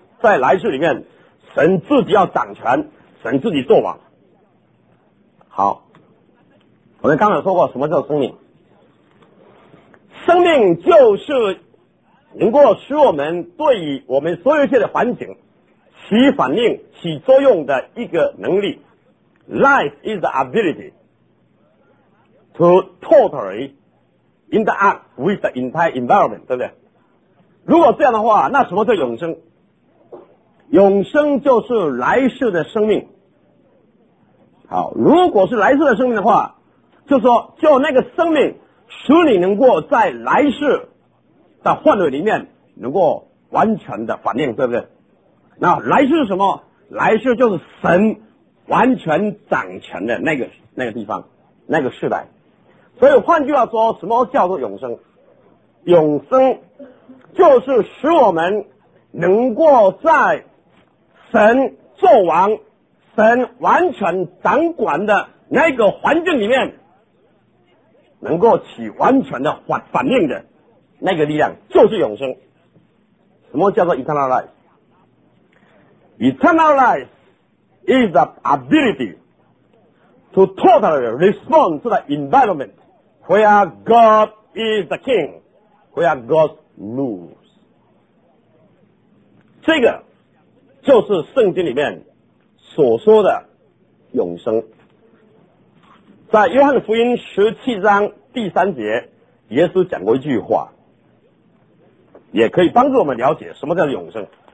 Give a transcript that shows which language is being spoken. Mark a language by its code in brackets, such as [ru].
[zh] 在来世里面，神自己要掌权，神自己作王。好，我们刚才说过什么叫生命。生命就是能够使我们对于我们所有一切的环境起反应、起作用的一个能力。 [en] Life is the ability to totally interact with the entire environment， [zh] 对不对？如果这样的话，那什么叫永生？永生就是来世的生命。好，如果是来世的生命的话，就说就那个生命使你能够在来世的范围里面能够完全的反应，对不对？那来世是什么？来世就是神完全掌权的那个地方、那个世代。所以换句话说，什么叫做永生？永生就是使我们能够在神作王、神完全掌管的那个环境里面能够起完全的反应的那个力量，就是永生。什么叫做 [en] eternal life？ Eternal life is the ability to totally respond to the environment where God is the king, where God rules。 [zh] 这个就是圣经里面所说的永生。在约翰福音十七章第三节，耶稣讲过一句话，也可以帮助我们了解什么叫永生。